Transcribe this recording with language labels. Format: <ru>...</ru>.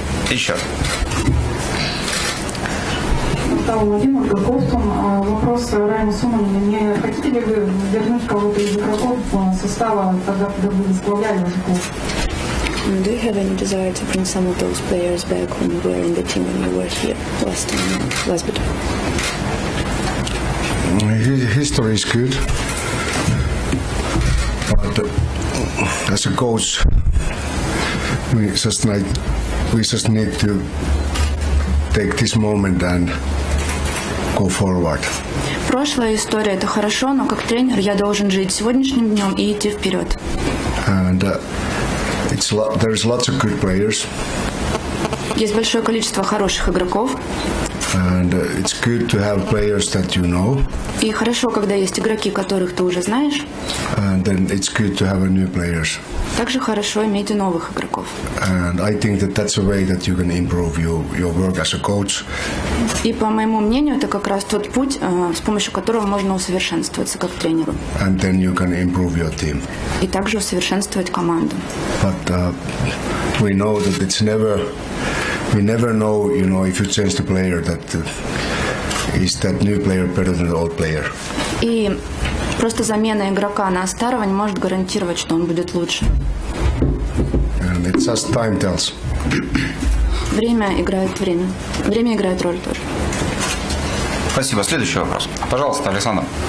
<ru>Еще. Владимир Гоковтун. Вопрос Райма Суммонина. Не хотите ли вы вернуть кого-то из игроков состава, когда вы возглавляли ваш клуб?</ru> <en>Do you have any desire to bring some of those players back when you were in the team when you were here last time, last bit? History is good. But as a coach, we just need to take this moment and go forward.</en> <ru>Прошлая история — это хорошо, но как тренер я должен жить сегодняшним днем и идти вперед.</ru> <en>And there is lots of good players.</en> <ru>Есть большое количество хороших игроков.</ru> <en>And it's good to have players that you know.</en> <ru>И хорошо, когда есть игроки, которых ты уже знаешь.</ru> <en>And then it's good to have new players.</en> <ru>Также хорошо иметь и новых игроков.</ru> <en>And I think that that's a way that you can improve your work as a coach.</en> <ru>И по моему мнению, это как раз тот путь, с помощью которого можно усовершенствоваться как тренеру.</ru> <en>And then you can improve your team.</en> <ru>И также усовершенствовать команду.</ru> <en>But we know that it's never. We never know, you know, if you change the player, that is that new player better than the old player.</en> <ru>И просто замена игрока на старого не может гарантировать, что он будет лучше.</ru> <en>And it's just time tells.</en> <ru>Время играет время. Время играет роль тоже. Спасибо. Следующий вопрос. Пожалуйста, Александр.</ru>